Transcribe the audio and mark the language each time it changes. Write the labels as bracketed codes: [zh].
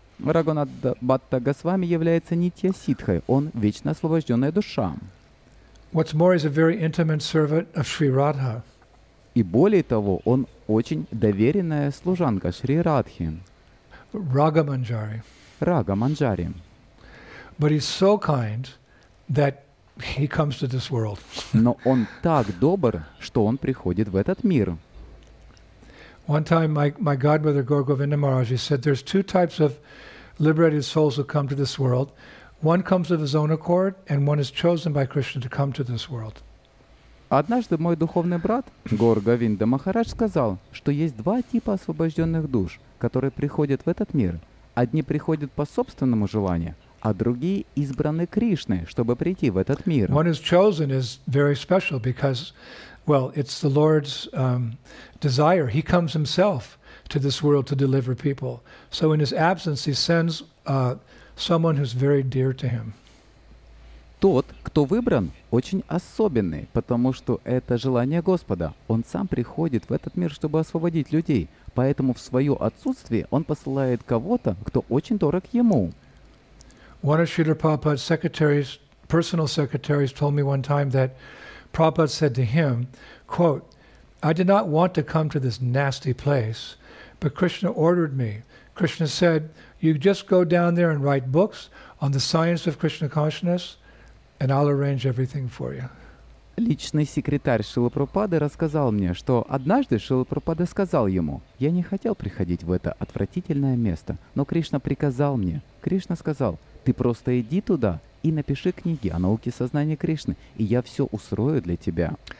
[ru] Raghunath Bhatta Goswami является Нитья Сиддхой, он вечно освобожденная душа. [en] What's more, he's a very intimate servant of Sri Radha. [ru] И более того, он очень доверенная служанка Шри Радхи. [en] Raga Manjari. [ru] Raga Manjari. [en] But he's so kind that he comes to this world. [ru] Но он так добр, что он приходит в этот мир. [en] One time my godmother Gaur Govinda Maharaj said there's two types of liberated souls who come to this world. One comes of his own accord and one is chosen by Krishna to come to this world. [ru] Однажды мой духовный брат Гаур Говинда Махарадж сказал, что есть два типа освобожденных душ, которые приходят в этот мир. Одни приходят по собственному желанию, а другие избраны Кришной, чтобы прийти в этот мир. [en] One is chosen is very special because well, it's the Lord's desire. He comes himself to this world to deliver people. So in his absence, he sends someone who's very dear to him. [ru] Тот, кто выбран, очень особенный, потому что это желание Господа. Он сам приходит в этот мир, чтобы освободить людей. Поэтому в свое отсутствие он посылает кого-то, кто очень дорог ему. [en] One of Srila Prabhupada's personal secretaries told me one time that Prabhupada said to him, quote, I did not want to come to this nasty place, but Krishna ordered me. Krishna said, you just go down there and write books on the science of Krishna consciousness, and I'll arrange everything for you. [ru] Личный секретарь Шрилы Прабхупады рассказал мне, что однажды Шрила Прабхупада сказал ему, «Я не хотел приходить в это отвратительное место, но Кришна приказал мне». Кришна сказал, «Ты просто иди туда и напиши книги о науке сознания Кришны, и я все устрою для тебя».